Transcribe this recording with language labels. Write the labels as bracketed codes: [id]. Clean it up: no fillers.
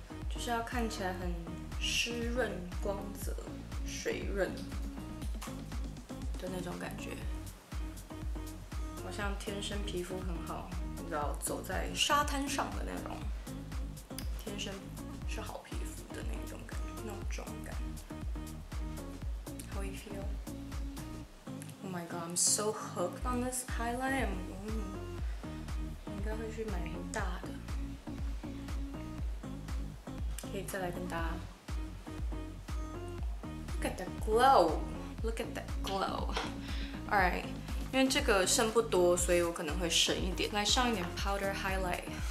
[zh] 就是要看起来很湿润、光泽、水润的那种感觉，好像天生皮肤很好，你知道，走在沙滩上的那种，天生是好皮肤的那种感觉，那种妆感。 [en] How you feel? Oh my god, I'm so hooked on this highlight. [zh] 我应该会去买很大的。可以再来跟大家 [en] look at the glow, look at the glow. All right, [zh] 因为这个剩不多，所以我可能会省一点，来上一点 powder highlight。